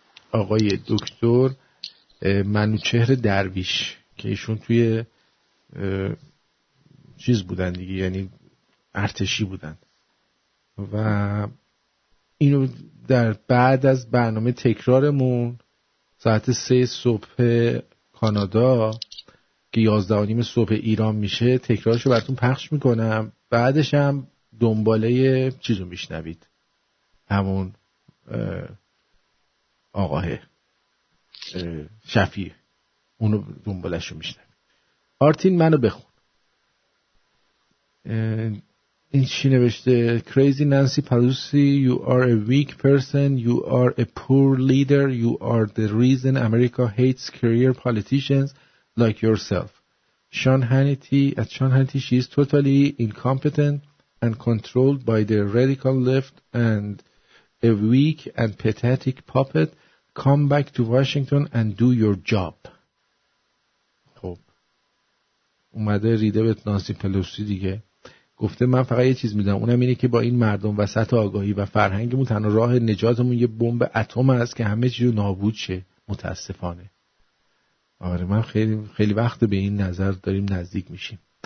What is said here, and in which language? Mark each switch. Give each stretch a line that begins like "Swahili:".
Persian: آقای دکتر منوچهر درویش که ایشون توی چیز بودن دیگه، یعنی ارتشی بودن، و اینو در بعد از برنامه تکرارمون ساعت 3 صبح کانادا که 11 و نیم صبح ایران میشه تکرارشو براتون پخش میکنم. بعدش هم دنباله چیزو میشنوید، همون آقای شفیع اونو دنبالشو میشنوید. آرتین منو بخون. این چی نوشته؟
English: Crazy Nancy Pelosi, you are a weak person, you are a poor leader, you are the reason America hates career politicians like yourself. Sean Hannity, at Sean Hannity, she is totally incompetent and controlled by the radical left and a weak and pathetic puppet. Come back to Washington and do your job.
Persian: خب اومده ریده به نانسی پلوسی دیگه، گفته من فقط یه چیز میدونم، اونم اینه که با این مردم وسط آگاهی و فرهنگمون تنها راه نجاتمون یه بمب اتم است که همه چیزو نابود شه متاسفانه. آره من خیلی خیلی وقت به این نظر داریم نزدیک میشیم.